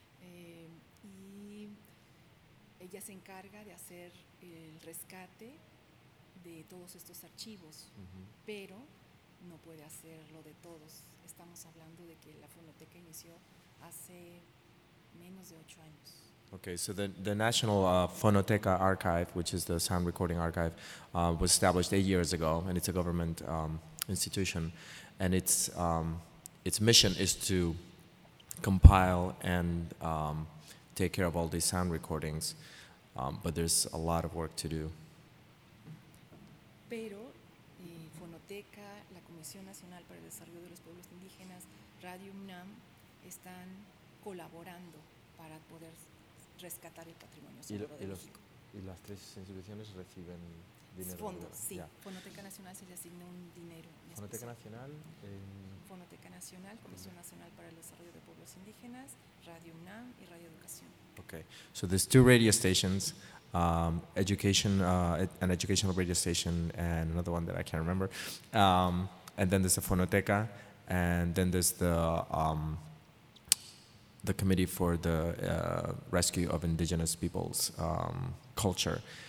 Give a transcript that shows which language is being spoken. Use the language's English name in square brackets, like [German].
[Spanish] Y ella se encarga de hacer el rescate de todos estos archivos, pero no puede hacerlo de todos. Estamos hablando de que la fonoteca inició hace menos de 8 años. [English] Okay, so the National Fonoteca Archive, which is the sound recording archive, was established 8 years ago, and it's a government institution, and its mission is to compile and take care of all these sound recordings, but there's a lot of work to do. [Spanish] Pero Fonoteca, la Comisión Nacional para el Desarrollo de los Pueblos Indígenas, Radio UNAM, están colaborando para poder rescatar el patrimonio sonoro de México. ¿Y las tres instituciones reciben dinero? Fondos, sí. Yeah. Fonoteca Nacional se le asignó un dinero. Fonoteca Nacional. Fonoteca Nacional, Comisión Nacional para el Desarrollo de Pueblos Indígenas, Radio UNAM y Radio Educación. [English] Okay, so there's two radio stations, education, an educational radio station, and another one that I can't remember. And then there's the Fonoteca, and then there's the Committee for the Rescue of Indigenous Peoples' Culture.